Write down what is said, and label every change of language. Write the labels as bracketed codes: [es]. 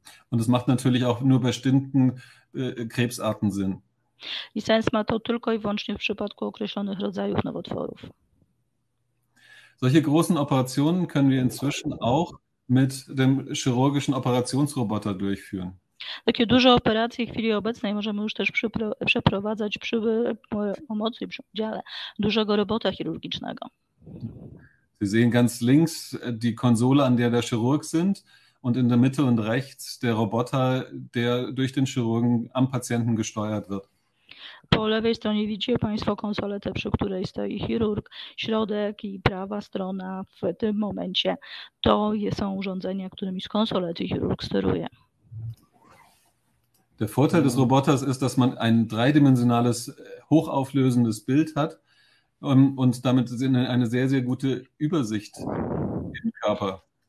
[de] Und das macht natürlich auch nur bei bestimmten Krebsarten Sinn. [pl] I sens ma to tylko i wyłącznie w przypadku określonych rodzajów nowotworów. [de] Solche großen Operationen können wir inzwischen auch mit dem chirurgischen Operationsroboter durchführen. [pl] Takie duże operacje w chwili obecnej możemy już też przeprowadzać przy pomocy, przy udziale dużego robota chirurgicznego. [de] Sie sehen ganz links die Konsole, an der der Chirurg sind, und in der Mitte und rechts der Roboter, der durch den Chirurgen am Patienten gesteuert wird. [pl] Po lewej stronie widzicie Państwo konsolę, tę, przy której stoi chirurg. Środek i prawa strona w tym momencie to są urządzenia, którymi z konsolety chirurg steruje. [de] Der Vorteil des Roboters ist, dass man ein dreidimensionales, hochauflösendes Bild hat und damit eine sehr, sehr gute Übersicht im Körper.